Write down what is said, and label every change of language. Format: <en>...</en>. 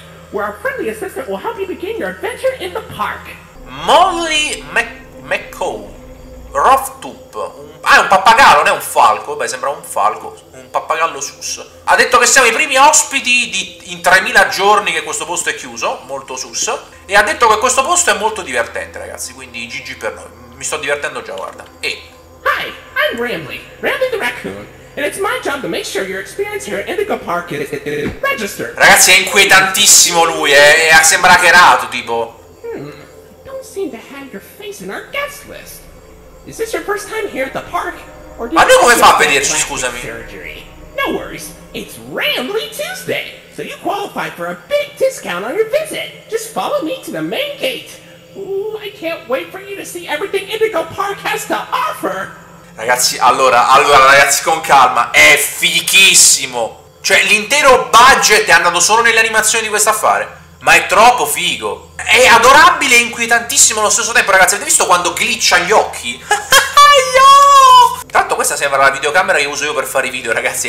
<en>Where our friendly assistant will help you begin your adventure in the park. Molly McCow. Rofftoop.</en> <it>Ah, è un pappagallo, non è un falco. Beh, sembra un falco. Un pappagallo sus. Ha detto che siamo i primi ospiti in 3000 giorni che questo posto è chiuso. Molto sus. E ha detto che questo posto è molto divertente, ragazzi. Quindi GG per noi. Mi sto divertendo già, guarda. E...</it> <en>Hi, I'm Ramley. Ramley the raccoon. And it's my job to make sure your experience here at Indigo Park is registered.</en> <it>Ragazzi, è inquietantissimo lui, eh. Sembra hackerato, tipo.</it> <en>Don't seem to have your face in our guest list. Is this your first time here at the park?</en> <it>Or ma lui come fa a vederci, scusami?</it> <en>Surgery? No worries. It's Rambly Tuesday. So you qualify for a big discount on your visit. Just follow me to the main gate. Ooh, I can't wait for you to see everything Indigo Park has to offer.</en> <it>Ragazzi, allora, ragazzi, con calma, è fichissimo. Cioè, l'intero budget è andato solo nelle animazioni di questo affare. Ma è troppo figo. È adorabile e inquietantissimo allo stesso tempo, ragazzi. Avete visto quando glitcha gli occhi? Io! Tanto questa sembra la videocamera che uso io per fare i video, ragazzi.</it>